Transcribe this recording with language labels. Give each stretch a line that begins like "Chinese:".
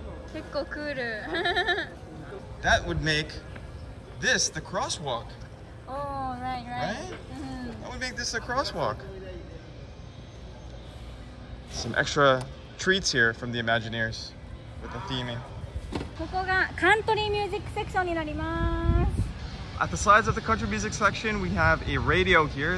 English: That would make this the crosswalk. Oh, right. Right? Mm-hmm. That would make this a crosswalk. Some extra treats here from the Imagineers with the theming.
Japanese: ここがカントリーミュージックセクションになります。
English: At the sides of the country music section, we have a radio here.